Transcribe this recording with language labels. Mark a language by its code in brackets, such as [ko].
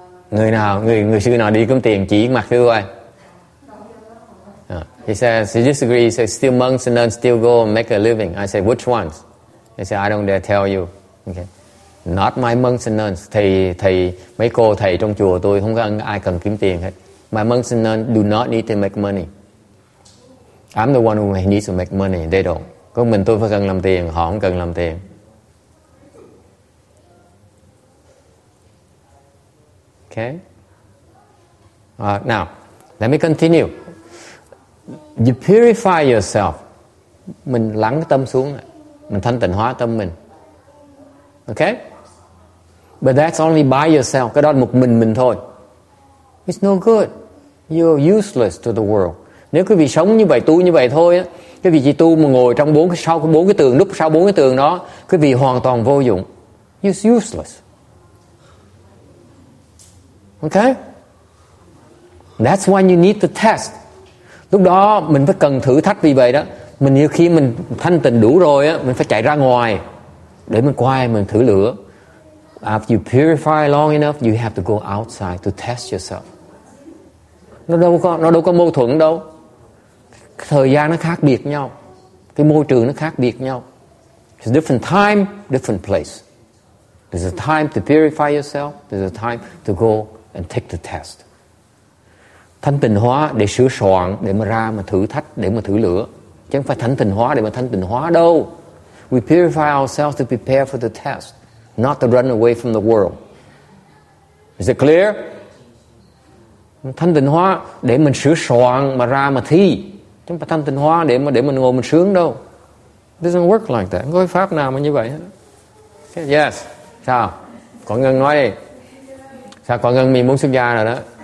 [vi] Người nào, người sư nào đi kiếm tiền chỉ mặt thôi. [en] He says, he disagrees, he says, still monks and nuns still go and make a living. I say, which ones? He says, I don't dare tell you. Okay. Not my monks and nuns. [vi] Thầy, mấy cô thầy trong chùa tôi không có ai cần kiếm tiền hết. [en] My monks and nuns do not need to make money. I'm the one who needs to make money, they don't. [vi] Có mình tôi phải cần làm tiền, họ không cần làm tiền. [en] Okay. Now, let me continue. You purify yourself. [vi] Mình lắng tâm xuống, mình thanh tịnh hóa tâm mình. [en] Okay. But that's only by yourself. [vi] Cái đó là một mình thôi. [en] It's no good. You're useless to the world. [vi] Nếu quý vị sống như vậy, tu như vậy thôi, quý vị chỉ tu mà ngồi trong bốn cái tường đó, quý vị hoàn toàn vô dụng. [en] You're useless. Okay, that's why you need to test. [vi] Lúc đó mình phải cần thử thách. Vì vậy đó, mình nhiều khi mình thanh tịnh đủ rồi á, mình phải chạy ra ngoài để mình quay, mình thử lửa. [en] After you purify long enough, you have to go outside to test yourself. [vi] Nó đâu có mâu thuẫn đâu. Thời gian nó khác biệt nhau, cái môi trường nó khác biệt nhau. [en] It's a different time, different place. There's a time to purify yourself. There's a time to go and take the test. [vi] Thanh tịnh hóa để sửa soạn, để mà ra mà thử thách, để mà thử lửa. Chứ không phải thanh tịnh hóa để mà thanh tịnh hóa đâu. [en] We purify ourselves to prepare for the test, not to run away from the world. Is it clear? [vi] Thanh tịnh hóa để mình sửa soạn mà ra mà thi. Chứ không phải thanh tịnh hóa để mà ngồi mình sướng đâu. [en] doesn't work like that. [vi] Không có pháp nào mà như vậy. Yes. Sao? Quảng Ngân nói đi. Sao Quảng Ngân mình muốn xuất gia rồi đó?